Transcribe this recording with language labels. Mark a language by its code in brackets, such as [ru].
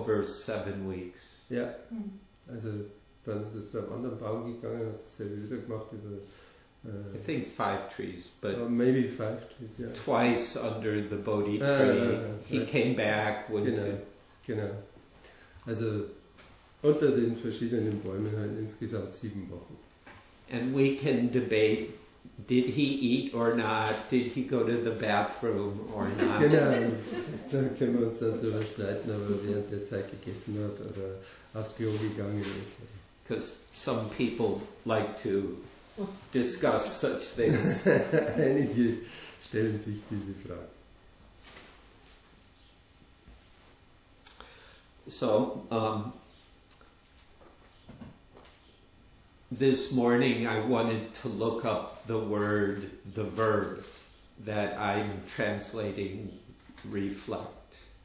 [en] Over 7 weeks. Yeah. Mm. [de] Also, dann ist er zu einem anderen Baum gegangen und hat dasselbe wieder gemacht über... [en] I think 5 trees, but... Maybe 5 trees, yeah. Twice under the Bodhi tree, he came back, went [de] genau, [en] to... [de] Genau. Also, unter den verschiedenen Bäumen halt insgesamt 7 Wochen. [en] And we can debate, did he eat or not? Did he go to the bathroom or not? [de] Genau, da können wir uns dann drüber streiten, ob er während der Zeit gegessen hat oder aufs Büro gegangen ist. [en] Because some people like to discuss such things. [de] Einige stellen sich diese Fragen. [en] So, this morning I wanted to look up the word, the verb that I'm translating, reflect.